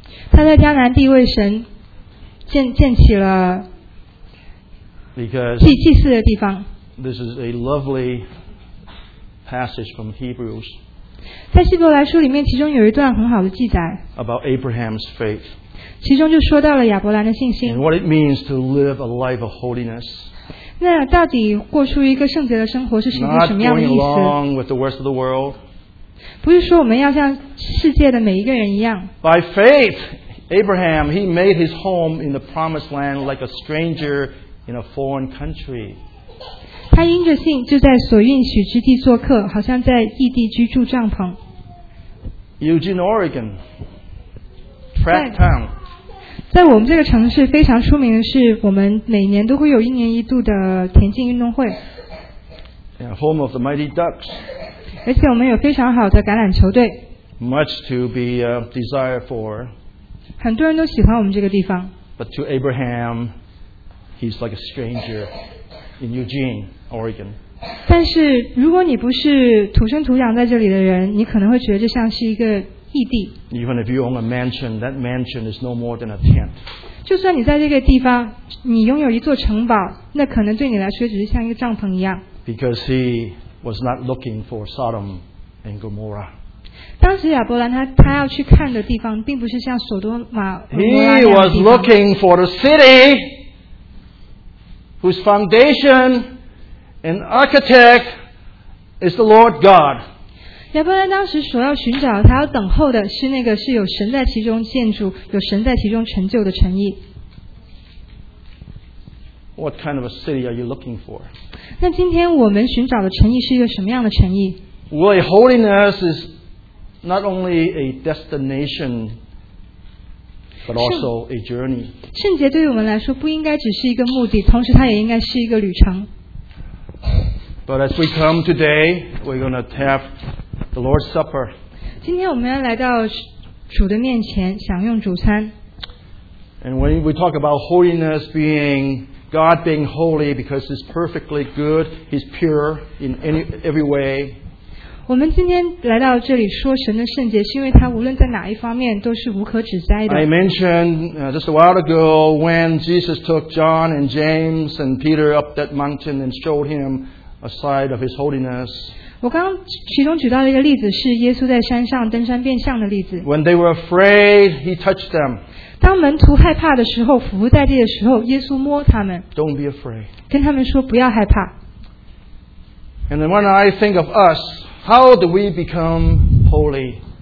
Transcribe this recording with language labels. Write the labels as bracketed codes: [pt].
[zh] 他在迦南地为神 建起了祭祀的地方。 [en] This is a lovely passage from Hebrews. [zh] 在希伯来书里面，其中有一段很好的记载。 [en] About Abraham's faith. [zh] 其中就说到了亚伯兰的信心。 [en] And what it means to live a life of holiness. [zh] 那到底过出一个圣洁的生活是什么样的意思？ [en] Not going along with the rest of the world. [zh] 不是说我们要像世界的每一个人一样。 [en] By faith, Abraham he made his home in the promised land like a stranger in a foreign country. [zh] 他因着信就在所应许之地做客，好像在异地居住帐篷。 [en] Eugene, Oregon, Tract Town. [zh] 在我们这个城市非常出名的是，我们每年都会有一年一度的田径运动会。 [en] Yeah, home of the Mighty Ducks. [zh] 而且我们有非常好的橄榄球队 [en] Much to be desired for [zh] 很多人都喜欢我们这个地方 [en] But to Abraham He's like a stranger In Eugene, Oregon [zh] 但是如果你不是土生土长在这里的人你可能会觉得这像是一个异地 [en] Even if you own a mansion That mansion is no more than a tent [zh] 就算你在这个地方你拥有一座城堡那可能对你来说只是像一个帐篷一样 [en] Because he was not looking for Sodom and Gomorrah. [zh] 当时亚伯兰他要去看的地方并不是像索多玛、俄摩拉那样的地方。 [en] He was looking for the city whose foundation and architect is the Lord God. [zh] 亚伯兰当时所要寻找他要等候的是那个是有神在其中建筑有神在其中成就的城邑。 [en] What kind of a city are you looking for? [zh] 那今天我们寻找的诚意是一个什么样的诚意? [en] Well, holiness is not only a destination, but also a journey. [zh] 圣洁对于我们来说不应该只是一个目的，同时它也应该是一个旅程。 [en] But as we come today, we're going to have the Lord's Supper. [zh] 今天我们要来到主的面前，享用主餐。 [en] And when we talk about holiness being God being holy because He's perfectly good, He's pure in every way. [zh] 我们今天来到这里说神的圣洁，是因为他无论在哪一方面都是无可指摘的。 [en] I mentioned just a while ago when Jesus took John and James and Peter up that mountain and showed him a side of His holiness. [zh] 我刚其中举到的一个例子是耶稣在山上登山变相的例子。 [en] When they were afraid, He touched them. [zh] 当门徒害怕的时候，伏伏在地的时候，耶稣摸他们。 [en] Don't be afraid. [zh] 跟他们说不要害怕。 [en] And then when I think of us, how do we become holy?